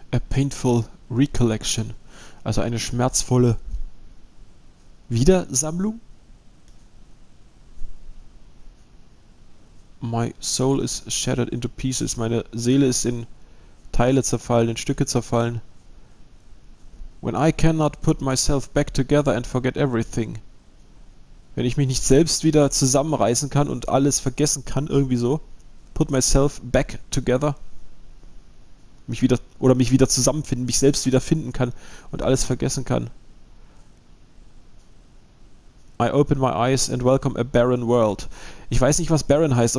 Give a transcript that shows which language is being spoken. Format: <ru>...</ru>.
<en>Painful Recollection.</en> <de>Also eine schmerzvolle Wiedersammlung?</de> <en>My soul is shattered into pieces.</en> <de>Meine Seele ist in Teile zerfallen, in Stücke zerfallen.</de> <en>When I cannot put myself back together and forget everything.</en> <de>Wenn ich mich nicht selbst wieder zusammenreißen kann und alles vergessen kann, irgendwie so.</de> <en>Put myself back together.</en> <de>mich wieder zusammenfinden, mich selbst wieder finden kann und alles vergessen kann.</de> <en>I open my eyes and welcome a barren world.</en> <de>Ich weiß nicht, was barren heißt.</de>